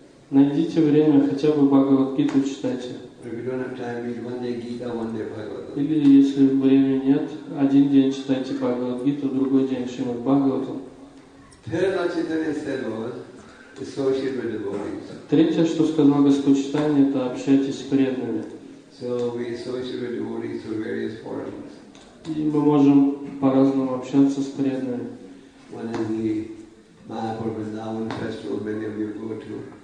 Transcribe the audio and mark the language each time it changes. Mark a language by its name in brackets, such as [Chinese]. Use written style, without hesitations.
[Russian] Найдите время, хотя бы Бхагавад Гиту читайте. [English] If you don't have time, read one day Gita, one day Bhagavatam. [Russian] Или если времени нет, один день читайте Бхагавад Гиту, другой день Шримад Бхагаватам. [English] Third, what Chaitanya said was, associate with devotees. [Russian] Третье, что сказал Господь Чайтанья, это общайтесь с преданными. [English] So we associate with devotees through various forms. [Russian] И мы можем по-разному общаться с преданными. [English] One is the Mahapur Vrindavan festival, many of you go to.